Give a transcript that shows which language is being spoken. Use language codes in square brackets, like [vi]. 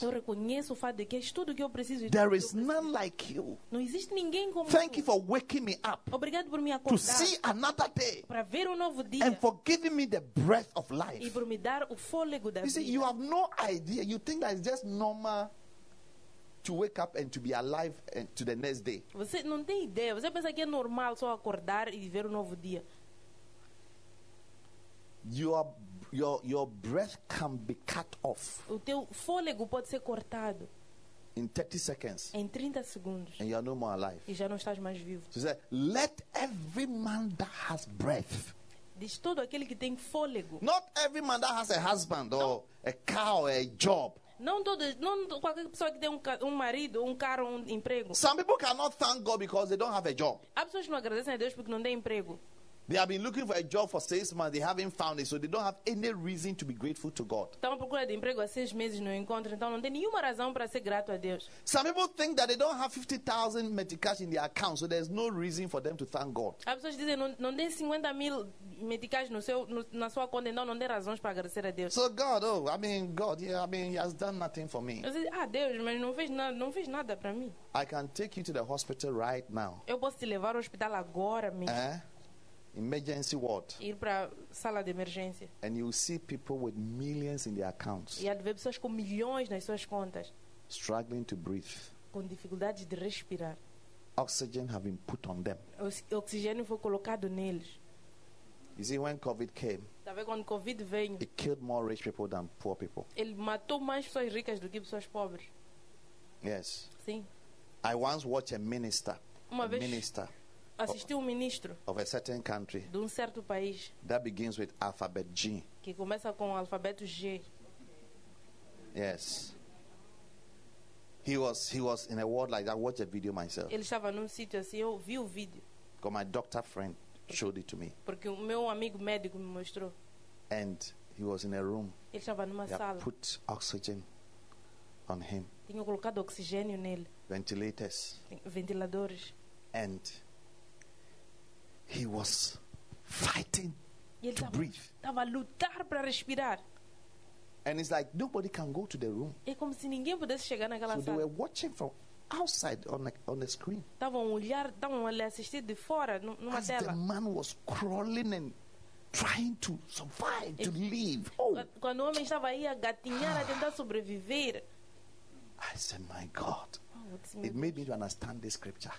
[pt] Eu reconheço o fato de que és tudo que eu preciso. [en] There is none like you. [pt] Não existe ninguém como tu. [en] Thank you for waking me up. [pt] Obrigado por me acordar. [en] To see another day. [pt] Para ver novo dia. [en] And for giving me the breath of life. [pt] E por me dar o fôlego da vida. [en] You see, you have no idea. You think that it's just normal to wake up and to be alive and to the next day. [pt] Você não tem ideia. Você pensa que é normal só acordar e viver novo dia. [en] Your breath can be cut off. [pt] O teu fôlego pode ser cortado. [en] In 30 seconds. [pt] Em 30 segundos. [en] And you are no more alive. [pt] E já não estás mais vivo. [en] So say, let every man that has breath. [pt] Diz todo aquele que tem fôlego. [en] Not every man that has a husband não. Or a car or a job. [pt] Não qualquer pessoa que tem um marido, um carro, um emprego. [en] Some people cannot thank God because they don't have a job. [pt] Há pessoas que não agradecem a Deus porque não têm emprego. [en] They have been looking for a job for 6 months. They haven't found it, so they don't have any reason to be grateful to God. [pt] Estão procurando emprego há 6 meses, não encontram, então não tem nenhuma razão para ser grato a Deus. [en] Some people think that they don't have 50,000 meticais in their account, so there's no reason for them to thank God. [pt] As pessoas dizem não tem 50,000 meticais na sua conta, então não tem razões para agradecer a Deus. [en] So God, oh, I mean God, yeah, I mean He has done nothing for me. [pt] Eu digo, ah Deus, mas não fez nada para mim. [en] I can take you to the hospital right now. [pt] Eu posso te levar ao hospital agora mesmo. [en] Eh? Emergency ward. [pt] Ir para sala de emergência. [en] And you see people with millions in their accounts. [pt] E há de ver pessoas com milhões nas suas contas. [en] Struggling to breathe. [pt] Com dificuldades de respirar. [en] Oxygen have been put on them. [pt] Oxigênio foi colocado neles. [en] You see when COVID came. [pt] Tá vendo quando COVID veio? [en] It killed more rich people than poor people. [pt] Ele matou mais pessoas ricas do que pessoas pobres. [en] Yes. [pt] Sim. [en] I once watched a minister. [pt] Uma vez. [en] Minister. [pt] Assistiu um ministro [en] of a certain country, [pt] de um certo país [en] that begins with alphabet G. [pt] Que começa com o alfabeto G. [en] Yes. He was in a ward like that. I watched a video myself. [pt] Ele estava num sítio assim, eu vi o vídeo. [en] Because my doctor friend showed it to me. [pt] Porque o meu amigo médico me mostrou. [en] And he was in a room. [pt] Ele estava numa [en] they [pt] sala. [en] Put oxygen on him. [pt] Tinha colocado oxigênio nele. [en] Ventilators. [pt] Ventiladores. [en] And he was fighting [pt] ele [en] to breathe. [pt] Tava lutar para respirar. [en] And it's like nobody can go to the room. [pt] É como se ninguém pudesse chegar naquela sala. [en] So they were watching from outside on the screen. [pt] Tavam olhar, tavam ali assistir de fora numa [en] As [pt] tela. [en] The man was crawling and trying to survive, to live. [pt] Quando o homem estava aí a gatinhar, a tentar sobreviver. [en] I said, my God. It made me to understand this scripture.